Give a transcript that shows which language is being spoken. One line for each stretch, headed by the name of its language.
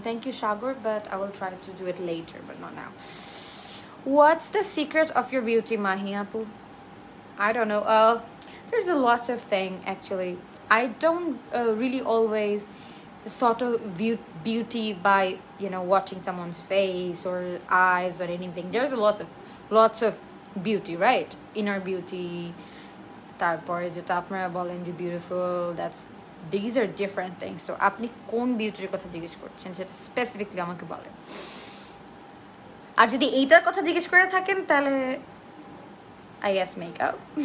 English: Thank you Sagar, but I will try to do it later but not now. What's the secret of your beauty Mahi আপু? I don't know, there is a lots of thing actually, I don't really always sort of beauty by, you know, watching someone's face or eyes or anything. There's lots of beauty, right, inner beauty,
Bangla: তারপরে যেটা আপনারা বলেন যে
English: Beautiful, that's these are different things.
Bangla: So আপনি কোন বিউটির কথা জিজ্ঞেস করছেন সেটা স্পেসিফিকলি আমাকে বলেন। আর যদি এইটার কথা জিজ্ঞেস করে থাকেন তাহলে
English: I guess makeup.